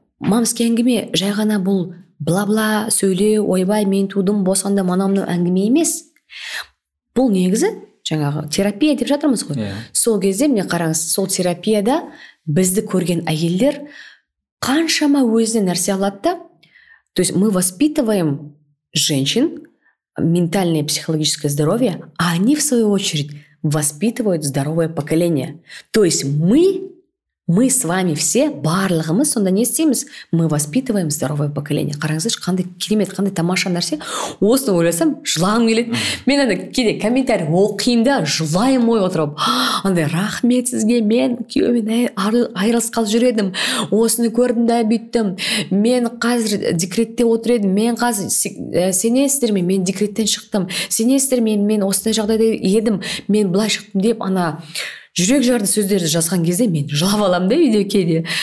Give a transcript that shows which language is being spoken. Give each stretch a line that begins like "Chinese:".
Kazakh: Мамский әңгіме жай ғана бұл бла-бла сөйле, ойбай мен тудым, босанды, манамның әңгіме емес. Бұл негізі жаңағы терапия деп жатырмыз ғой. Сол кезде мен қараңыз, сол терапияда бізді көрген әйелдер қаншама өзіне нәрсе алатты.
Russian: То есть мы воспитываем женщин, ментальное и психологическое здоровье, а они, в свою очередь, воспитывают здоровое поколение. То есть мы с вами все, барлығы, мы
Kazakh: сонда не істейміз,
Russian: мы воспитываем здоровое поколение.
Kazakh: Қараңыздаршы, қандай керемет, қандай тамаша нәрсе, осыны ойласам, жылағым келеді. Мен анда кейде комментарий оқиын да, жылайым ой отырып, андай рахмет сізге, мен күйеуіммен айырылысқалы жүр едім, осыны көрдім да бүйттім, мен қазір декретте отыр едім, мен қазір сенесіздер ме, мен декреттен шықтым, сенесіздер ме, мен осындай жағдайда едім, мен былай шықтым деп ана жүрек жарды сөздерді жазған кезде мен жылап аламын да үйде кейде.